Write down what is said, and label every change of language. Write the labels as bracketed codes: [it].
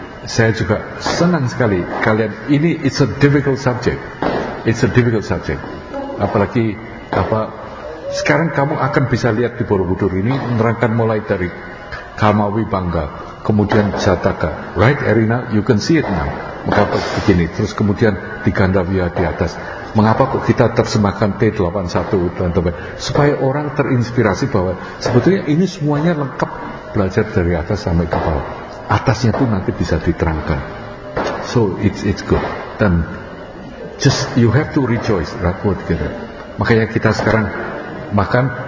[id] Saya juga senang sekali kalian. Ini [en] it's a difficult subject. It's a difficult subject. [id] Apalagi apa? Sekarang kamu akan bisa lihat di Borobudur ini menerangkan mulai dari Kamawi Bangga, kemudian Jataka, right Erina? [en] You can see it now. [id] Mengapa begini? Terus kemudian di Gandavia di atas. Mengapa kok kita tersembahkan T81 teman-teman? Supaya orang terinspirasi bahwa sebetulnya ini semuanya lengkap, belajar dari atas sampai ke bawah. Atasnya tuh nanti bisa diterangkan. [en] So it's good. [id] Dan [en] just you have to rejoice, right? [id] Gitu. Makanya kita sekarang makan.